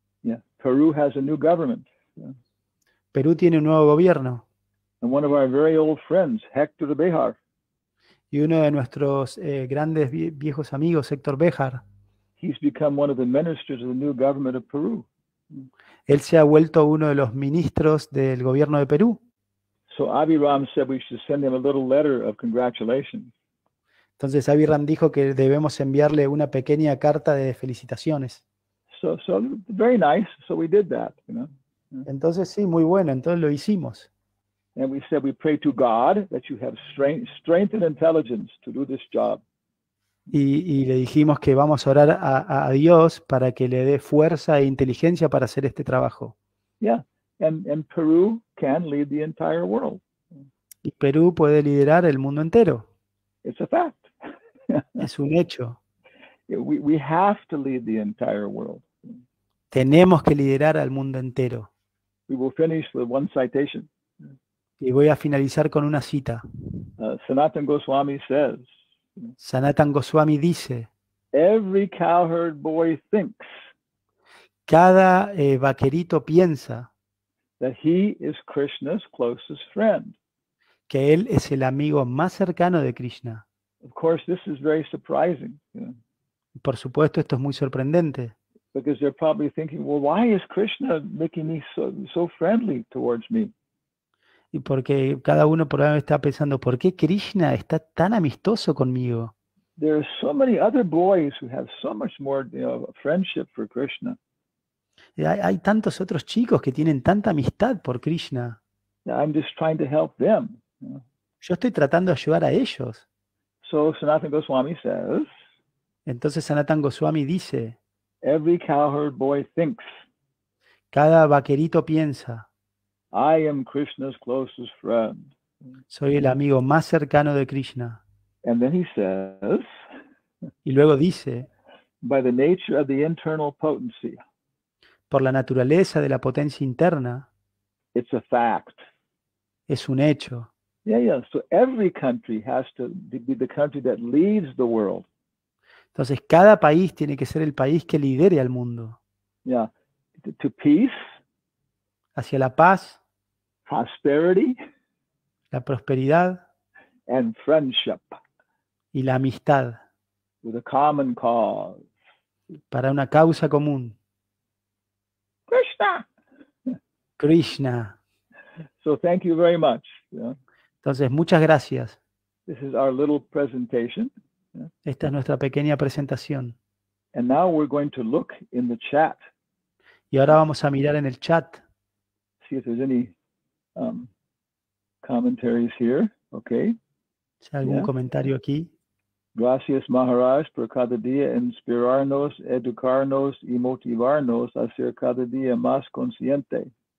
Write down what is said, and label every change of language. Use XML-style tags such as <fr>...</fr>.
<en>Yeah. Peru has a new government. Yeah.</en> <es>Perú tiene un nuevo gobierno.</es> <en>And one of our very old friends, Héctor Béjar.</en> <es>Y uno de nuestros grandes viejos amigos, Héctor Béjar.</es> <en>He's become one of the ministers of the new government of Peru.</en> <es>Él se ha vuelto uno de los ministros del gobierno de Perú.</es> <en>So Abhiram said we should send him a little letter of congratulations.</en> <es>Entonces Abhiram dijo que debemos enviarle una pequeña carta de felicitaciones.</es> <en>So very nice. So we did that, you know.</en> <es>Entonces sí, muy bueno. Entonces lo hicimos.</es> <en>And we said we pray to God that you have strength and intelligence to do this job.</en> <es>Y le dijimos que vamos a orar a Dios para que le dé fuerza e inteligencia para hacer este trabajo.</es> <en>Yeah, and Peru can lead the entire world.</en> <es>Y Perú puede liderar el mundo entero.</es> <en>It's a fact.</en> <es>Es un hecho.</es> <en>We have to lead the entire world.</en> <es>Tenemos que liderar al mundo entero.</es> <en>We will finish with one citation.</en> <es>Y voy a finalizar con una cita.</es> <en>Sanatan Goswami says.</en> <es>Sanatan Goswami dice:</es> <en>Every cowherd boy thinks.</en> <es>Cada vaquerito piensa.</es> <en>That he is Krishna's closest friend.</en> <es>Que él es el amigo más cercano de Krishna.</es> <en>Of course, this is very surprising. Yeah.</en> <es>Por supuesto, esto es muy sorprendente.</es> <en>Because they're probably thinking, well, why is Krishna making me so friendly towards me?</en> <es>Y porque cada uno probablemente está pensando, ¿por qué Krishna está tan amistoso conmigo?</es> <en>There are so many other boys who have so much more, you know, friendship for Krishna.</en> <es>Hay tantos otros chicos que tienen tanta amistad por Krishna.</es> <en>I'm just trying to help them, you know?</en> <es>Yo estoy tratando de ayudar a ellos.</es> <en>So Sanatan Goswami says.</en> <es>Entonces Sanatan Goswami dice.</es> <en>Every cowherd boy thinks.</en> <es>Cada vaquerito piensa.</es> <en>I am Krishna's closest friend.</en> <es>Soy el amigo más cercano de Krishna.</es> <en>And then he says,</en> <es>y luego dice,</es> <en>by the nature of the internal potency,</en> <es>por la naturaleza de la potencia interna,</es> <en>It's a fact.</en> <es>Es un hecho.</es> <en>Yeah. So every country has to be the country that leads the world.</en> <es>Entonces cada país tiene que ser el país que lidere al mundo.</es> <en>Yeah. To peace.</en> <es>Hacia la paz.</es> <en>Prosperity.</en> <es>La prosperidad.</es> <en>And friendship.</en> <es>Y la amistad.</es> <en>With a common cause.</en> <es>Para una causa común.</es> <en>Krishna.</en> <es>Krishna.</es> <en>So thank you very much. Yeah.</en> <es>Entonces, muchas gracias.</es> <en>This is our little presentation.</en> <es>Esta es nuestra pequeña presentación.</es> <en>And now we're going to look in the chat.</en> <es>Y ahora vamos a mirar en el chat.</es> <en>See if there's any commentaries here. Okay.</en> <es>¿Hay algún comentario aquí? Gracias, Maharaj, por cada día inspirarnos, educarnos y motivarnos a ser cada día más consciente.</es>